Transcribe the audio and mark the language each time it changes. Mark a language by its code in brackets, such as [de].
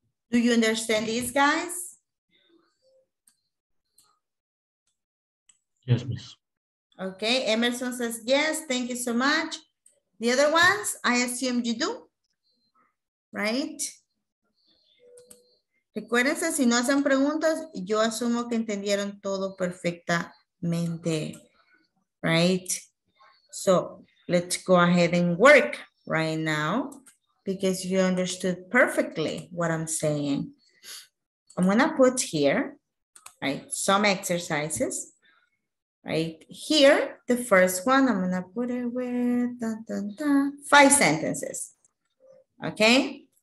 [en] Do you understand these guys? Yes, miss. Okay, Emerson says yes, thank you so much. The other ones, I assume you do, right? [es] Recuérdense, si no hacen preguntas, yo asumo que entendieron todo perfectamente, right? [en] So let's go ahead and work right now, because you understood perfectly what I'm saying. I'm gonna put here, right, some exercises. right here, the first one, I'm gonna put it where, dun, dun, dun, 5 sentences, okay?